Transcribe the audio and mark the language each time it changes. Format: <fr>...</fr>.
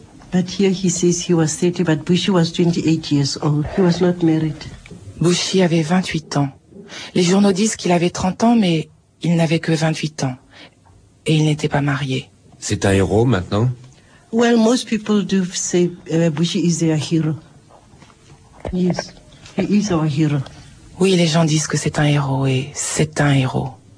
<en>But here he says he was 30, but Bushi was 28 years old. He was not married.</en> <fr>Bushi avait 28 ans Les journaux disent qu'il avait 30 ans, mais il n'avait que 28 ans. Et il n'était pas marié. C'est un héros maintenant?</fr> <en>Well, most people do say Bushi is their hero. Yes, he is our hero.</en> <fr>Oui, les gens disent que c'est un héros et c'est un héros.</fr>